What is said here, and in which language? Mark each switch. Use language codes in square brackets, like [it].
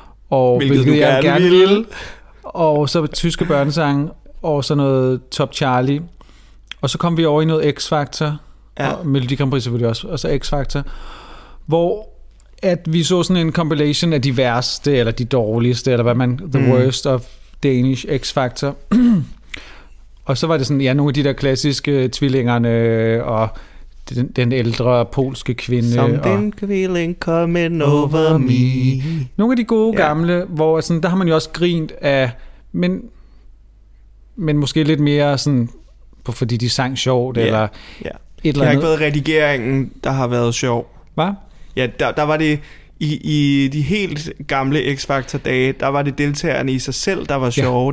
[da] Og hvilket du gerne ville. Og så tyske børnesange. Og så noget Top Charlie. Og så kom vi over i noget X-Factor. Ja. Og Melodi Grand Prix selvfølgelig også. Og så X-Factor. Hvor at vi så sådan en compilation af de værste, eller de dårligste, eller hvad man... [en] The worst of Danish X-Factor. [da] Og så var det sådan, ja, nogle af de der klassiske tvillingerne, og den ældre polske kvinde. [en] Something feeling coming over me. [da] Nogle af de gode gamle, hvor sådan, der har man jo også grint af... Men måske lidt mere sådan, fordi de sang sjovt, eller Et eller andet. Det har ikke været redigeringen, der har været sjov. Hvad? Ja, der var det i de helt gamle X-Factor-dage, der var det deltagerne i sig selv, der var sjove.